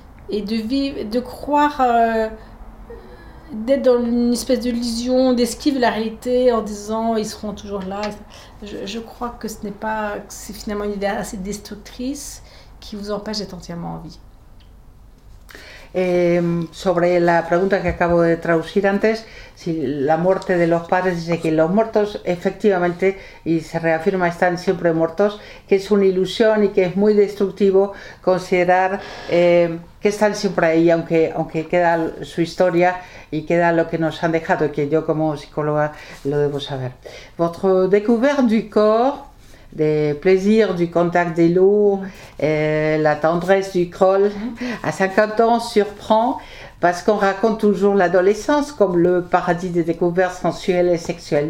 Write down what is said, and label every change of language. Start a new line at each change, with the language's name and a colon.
French: Et de vivre, de croire, d'être dans une espèce d'illusion, d'esquive la réalité en disant ils seront toujours là. Je crois que ce n'est pas, que c'est finalement une idée assez destructrice qui vous empêche d'être entièrement en vie.
Spanish: Sobre la pregunta que acabo de traducir antes, si la muerte de los padres, dice que los muertos efectivamente, y se reafirma, están siempre muertos, que es una ilusión y que es muy destructivo considerar que están siempre ahí, aunque queda su historia y queda lo que nos han dejado, y que yo como psicóloga lo debo saber.
French: Votre découverte du corps de plaisir du contact des loups, la tendresse du crawl. À 50 ans, on surprend parce qu'on raconte toujours l'adolescence comme le paradis des découvertes sensuelles et sexuelles.